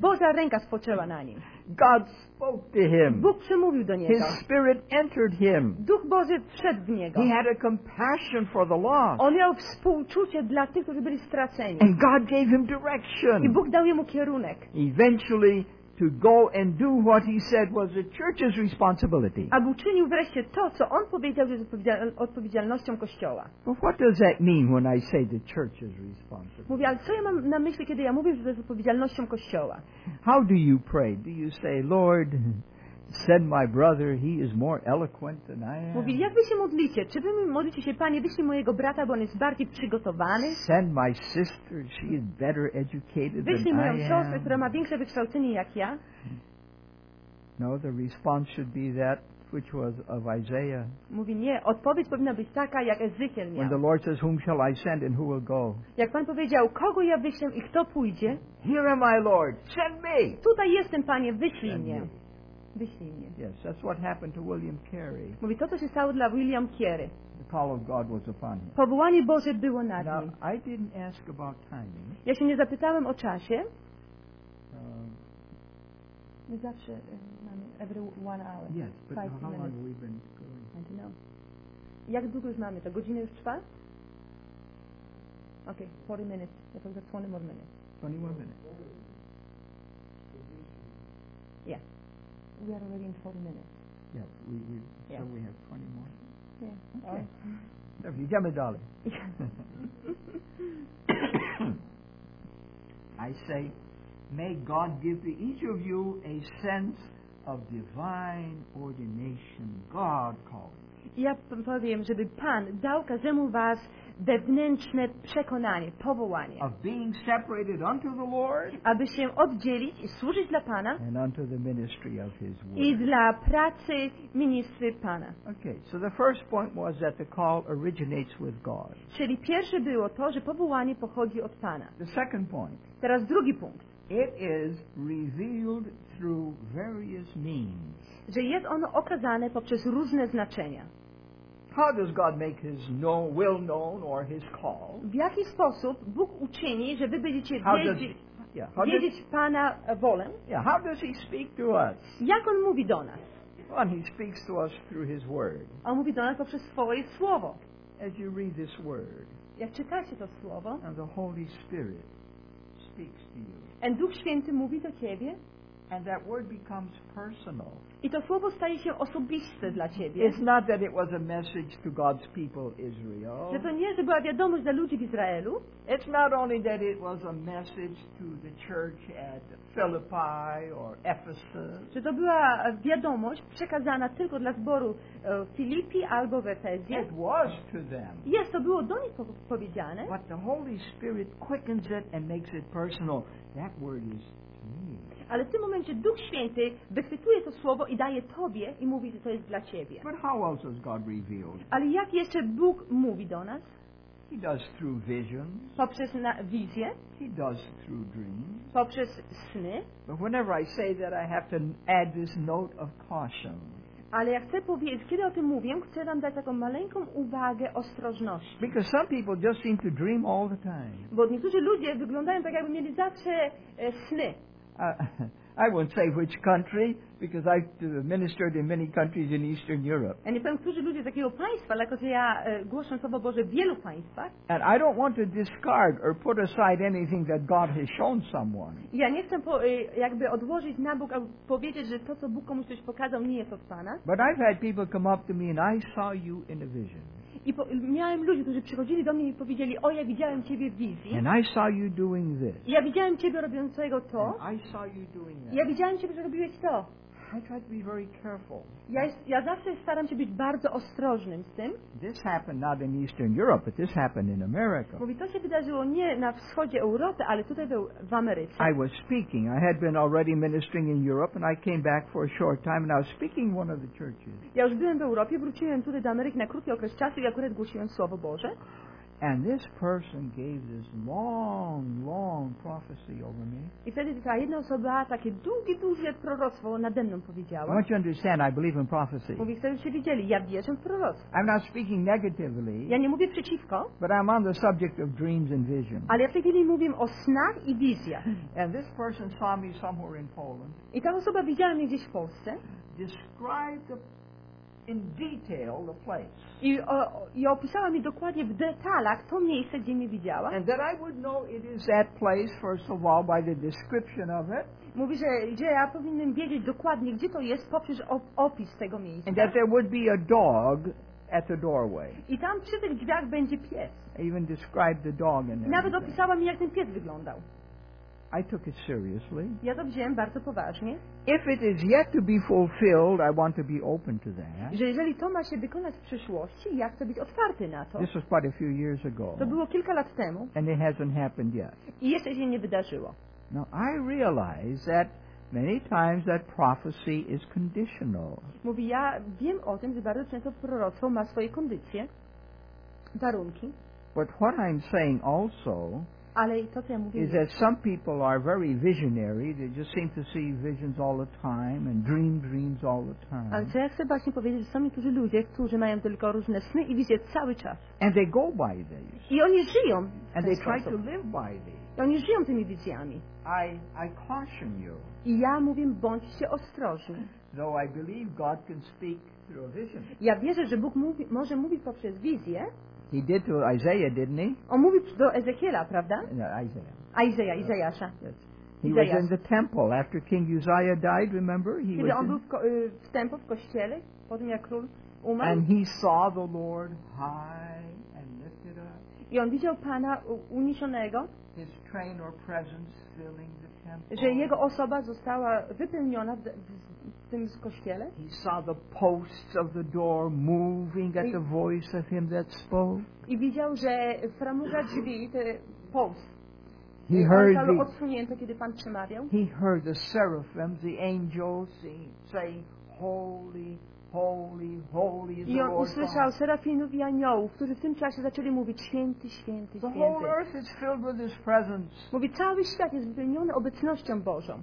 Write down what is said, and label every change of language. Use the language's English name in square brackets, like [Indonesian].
[Polish] Boża ręka spoczęła na nim. [English] God spoke to him. [Polish] Bóg przemówił do niego. [English] His spirit entered him. [Polish] Duch Boży wszedł w niego. [English] He had a compassion for the lost. [Polish] On miał współczucie dla tych, którzy byli straceni. [English] And God gave him direction. [Polish] I Bóg dał jemu kierunek. [English] Eventually to go and do what he said was the church's responsibility. [Polish] Aby uczynił wreszcie to, co on powiedział, że jest odpowiedzialnością Kościoła. [English] But what does that mean when I say the church's responsibility? [Polish] Mówię, ale co ja mam na myśli, kiedy ja mówię, że to jest odpowiedzialnością Kościoła? [English] How do you pray? Do you say, Lord, send my brother, he is more eloquent than I am? [Polish] Mówi, jak wy się modlicie? Czy wy modlicie się, Panie, wyślij mojego brata, bo on jest bardziej przygotowany? [English] Send my sister, she is better educated than I am. [Polish] Wyślij moją siostrę, która ma większe wykształcenie jak ja. [English] No, the response should be that which was of Isaiah. [Polish] Mówi, nie, odpowiedź powinna być taka, jak Ezechiel miał. [English] When the Lord says, whom shall I send and who will go? [Polish] Jak Pan powiedział, kogo ja wyślę i kto pójdzie? [English] Here am I, Lord, send me! [Polish] Tutaj jestem, Panie, wyślij mnie. [English] Yes, that's what happened to William Carey. [Polish] Mówi, to co się stało dla William Carey. [English] The call of God was upon him. [Polish] Powołanie Boże było nad nim. [English] Now, I didn't ask about timing. [Polish] Ja się nie zapytałem o czasie. My zawsze mamy [English] every 1 hour. Yes, but five how minutes. Long have we been going? I don't know. [Polish] Jak długo już mamy? To godzinę już trwa? [English] Okay, 40 minutes. [Polish] Ja to już [English] 20 more minutes. 20 more minutes. Yeah. We are already in 40 minutes. Yes, yeah. So we have 20 more. Yeah. Okay. Jamie, darling. I say, may God give to each of you a sense of divine ordination. God called. [Polish] Ja powiem, żeby Pan dał każdemu was wewnętrzne przekonanie, powołanie. [English] Of being separated unto the Lord, [Polish] aby się oddzielić i służyć dla Pana [English] and unto the ministry of his word. [Polish] I dla pracy ministry Pana. [English] Okay, so the first point was that the call originates with God. [Polish] Czyli pierwsze było to, że powołanie pochodzi od Pana. [English] The second point. [Polish] Teraz drugi punkt. [English] It is revealed through various means. [Polish] Że jest ono okazane poprzez różne znaczenia. [English] How does God make his will known or his call? [Polish] W jaki sposób Bóg uczyni, że wy będziecie wiedzieć Pana wolę? [English] Yeah, how does he speak to us? [Polish] Jak on mówi do nas? [English] Well, he speaks to us through his word. [Polish] On mówi do nas poprzez swoje słowo. [English] As you read this word. [Polish] Jak czytacie to słowo. [English] And the Holy Spirit speaks to you. [Polish] And Duch Święty mówi do ciebie. [English] And that word becomes personal. [Polish] I to słowo staje się osobiste dla ciebie. [English] It's not that it was a message to God's people Israel. [Polish] Że to nie, że była wiadomość dla ludzi w Izraelu. [English] It's not only that it was a message to the church at Philippi or Ephesus. [Polish] Że to była wiadomość przekazana tylko dla zboru w Filipii albo w Efezie. [English] It was to them. [Polish] Jest to było do nich powiedziane. [English] But the Holy Spirit quickens it and makes it personal. That word is. [Polish] Ale w tym momencie Duch Święty wychwytuje to słowo i daje tobie i mówi, że to jest dla ciebie. [English] But how else has God revealed? [Polish] Ale jak jeszcze Bóg mówi do nas? [English] He does through visions. [Polish] Poprzez wizje. [English] He does through dreams. [Polish] Poprzez sny. [English] But whenever I say that, I have to add this note of caution. [Polish] Ale ja chcę powiedzieć, kiedy o tym mówię, chcę nam dać taką maleńką uwagę ostrożności. [English] Because some people just seem to dream all the time. [Polish] Bo niektórzy ludzie wyglądają tak, jakby mieli zawsze sny. [English] I won't say which country, because I've ministered in many countries in Eastern Europe. [Polish] Ja nie powiem, którzy ludzie z jakiego państwa, ale jako, że ja głoszę Słowo Boże w wielu państwach. [English] And I don't want to discard or put aside anything that God has shown someone. [Polish] Ja nie chcę jakby odłożyć na bok, albo powiedzieć, że to, co Bóg komuś coś pokazał, nie jest od Pana. [English] But I've had people come up to me and I saw you in a vision. [Polish] I miałem ludzi, którzy przychodzili do mnie i powiedzieli, o, ja widziałem Ciebie w wizji. [English] And I saw you doing this. [Polish] Ja widziałem Ciebie robiącego to. [English] And I saw you doing that. [Polish] Ja widziałem Ciebie, że robiłeś to. [English] I try to be very careful. [Polish] Ja zawsze staram się być bardzo ostrożnym z tym. [English] This happened not in Eastern Europe, but this happened in America. [Polish] Mówi, to się wydarzyło nie na wschodzie Europy, ale tutaj w Ameryce. [English] I was speaking. I had been already ministering in Europe and I came back for a short time and I was speaking one of the churches. [Polish] Ja już byłem w Europie, wróciłem tutaj do Ameryki na krótki okres czasu i akurat głosiłem Słowo Boże. [English] And this person gave this long, long prophecy over me. [Polish] I wtedy ta jedna osoba takie długie, długie proroctwo nade mną powiedziała. [English] I want you to understand, I believe in prophecy. [Polish] Mówi, chcecie wiedzieli, ja wierzę w proroctwo. [English] I'm not speaking negatively. [Polish] Ja nie mówię przeciwko. [English] But I'm on the subject of dreams and visions. [Polish] Ale ja w tej chwili mówię o snach i wizjach. [English] And this person saw me somewhere in Poland. [Polish] I ta osoba widziała mnie gdzieś w Polsce. [English] Described the in detail the place. [Polish] I opisała mi dokładnie w detalach to miejsce, gdzie mnie widziała. [English] And that I would know it is that place first of all by the description of it. [Polish] Mówi, że ja powinienem wiedzieć dokładnie, gdzie to jest poprzez opis tego miejsca. [English] And that there would be a dog at the doorway. [Polish] I tam przy tych drzwiach będzie pies. [English] I even described the dog in there. [Polish] Nawet opisała mi, jak ten pies wyglądał. [English] I took it seriously. [Polish] Ja to wziąłem bardzo poważnie. [English] If it is yet to be fulfilled, I want to be open to that. [Polish] Że jeżeli to ma się wykonać w przyszłości, ja chcę być otwarty na to. [English] This was quite a few years ago. [Polish] To było kilka lat temu. [English] And it hasn't happened yet. [Polish] I jeszcze się nie wydarzyło. [English] Now I realize that many times that prophecy is conditional. [Polish] Mówi, ja wiem o tym, że bardzo często proroctwo ma swoje kondycje, warunki. [English] But what I'm saying also. [Polish] Ale to, co ja mówię, [English] is that some people are very visionary. They just seem to see visions all the time and dreams all the time. [Polish] Ale co ja chcę właśnie powiedzieć, że są niektórzy ludzie, którzy mają tylko różne sny i wizje cały czas. [English] And they go by these. [Polish] I oni żyją. [English] And they try to live by these. [Polish] I oni żyją tymi wizjami. [English] I caution you. [Polish] I ja mówię, bądźcie ostrożni. [English] Though I believe God can speak through a vision. [Polish] Ja wierzę, że Bóg może mówić poprzez wizję. [English] He did to Isaiah, didn't he? [Polish] On mówi do Ezechiela, prawda? [English] No, Isaiah. [Polish] Izajasza. [English] Yes. He was in the temple after King Uzziah died, remember? He [Polish] kiedy [English] was [Polish] on był w temple, w kościele, po tym jak król umarł. [English] And he saw the Lord high and lifted up. [Polish] I on widział Pana uniesionego. [English] His train or presence filling the temple. [Polish] Że jego osoba została wypełniona w tym kościele. [English] He saw the posts of the door moving at the voice of him that spoke. [Polish] I widział, że framuga drzwi, te post. [English] He heard [Polish] zostały odsunięte, kiedy Pan przemawiał. [English] He heard the seraphim, the angels say, holy, holy, holy is the Lord. [Polish] I on usłyszał serafinów i aniołów, którzy w tym czasie zaczęli mówić, święty, święty, święty. [English] The whole earth is filled with his presence. [Polish] Mówi, cały świat jest wypełniony obecnością Bożą.